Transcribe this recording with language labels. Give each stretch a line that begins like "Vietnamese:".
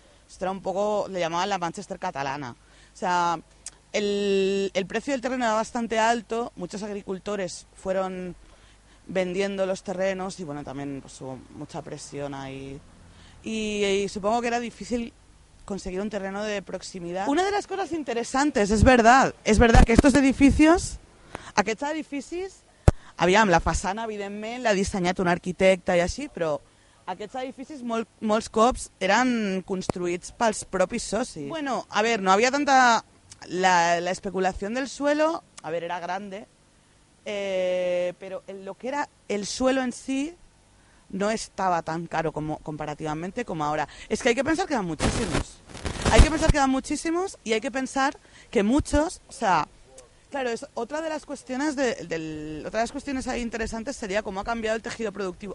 Spanish: Esto era un poco, le llamaban la Manchester catalana. O sea, el precio del terreno era bastante alto, muchos agricultores fueron vendiendo los terrenos y bueno, también pues, hubo mucha presión ahí. Y supongo que era difícil conseguir un terreno de proximidad. Una de las cosas interesantes, es verdad que estos edificios,
Catalan: aquests edificis, aviam, la façana evidentment l'ha dissenyat un arquitecte i així, però aquests edificis molts cops eren construïts pels propis socis.
Spanish: Bueno, a ver,
Catalan: no havia tanta...
Spanish: La especulació del suelo, a ver, era grande, pero lo que era el suelo en sí no estaba tan caro como comparativamente como ahora. Es que hay que pensar que eran muchísimos. Hay que pensar que eran muchísimos y hay que pensar que muchos, o sea, claro, es otra de las cuestiones otra de las cuestiones ahí interesantes sería cómo ha cambiado el tejido productivo.